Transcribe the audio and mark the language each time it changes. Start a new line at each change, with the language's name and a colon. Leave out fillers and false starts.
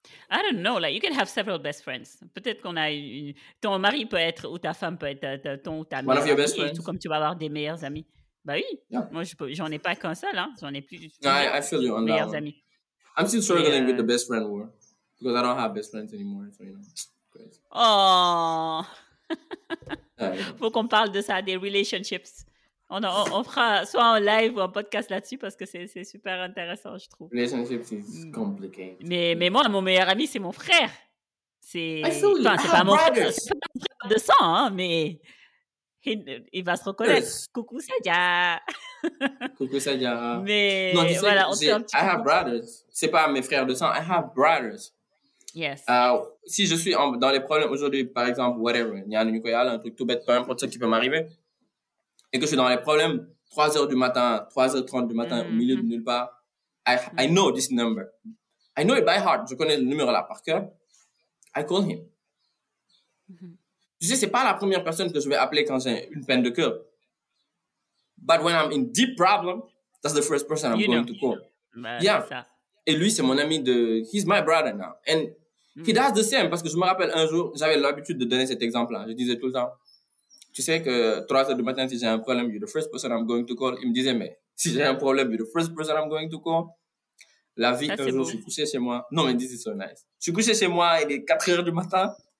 English: I don't know, like, you can have several best friends.
French: Peut-être qu'on a une... Ton mari peut être, ou ta femme peut être ton ou ta meilleure amie,
English: best friends.
French: Tout comme tu vas avoir des meilleurs amis. Bah oui, yeah. Moi, j'en ai pas qu'un seul, hein. J'en ai plus de meilleurs amis.
English: I'm still struggling with the best friend word, because I don't have best friends anymore, so, you know,
French: crazy. Oh! Faut qu'on parle de ça, des relationships. On fera soit un live ou un podcast là-dessus parce que c'est super intéressant, je trouve.
English: Relationship is complicated.
French: Mais moi, mon meilleur ami, c'est mon frère. C'est pas mon frère. C'est pas mon frère de sang, hein, mais il va se reconnaître. Yes. Coucou, Sadia. Coucou, Sadia. Mais non, voilà, on se
English: I have coup. Brothers.
French: C'est pas mes frères de sang.
English: I have brothers. Yes.
French: Si je suis dans les problèmes aujourd'hui, par exemple, whatever, il y a un nucléaire, un truc tout bête, peu importe ce qui peut m'arriver. Et que je suis dans les problèmes, 3h du matin, 3h30 du matin, au milieu de nulle part.
English: I know this number. I know it by heart.
French: Je connais le numéro là par cœur.
English: I call him.
French: Tu sais, c'est pas la première personne que je vais appeler quand j'ai une peine de cœur.
English: But when I'm in deep problem, that's the first person I'm going to call. Yeah.
French: Et lui, c'est mon ami de...
English: He's my brother now. And he does the same.
French: Parce que je me rappelle un jour, j'avais l'habitude de donner cet exemple-là. Je disais tout le temps... Tu sais que 3h du matin, si j'ai un problème,
English: you're the first person I'm going to call.
French: Il me disait, mais si j'ai un problème, you're the first person I'm going to call. La vie, ça, un jour, bon. Je suis couché chez moi. Non, mais
English: this is so nice.
French: Je suis couché chez moi, il est 4h du matin.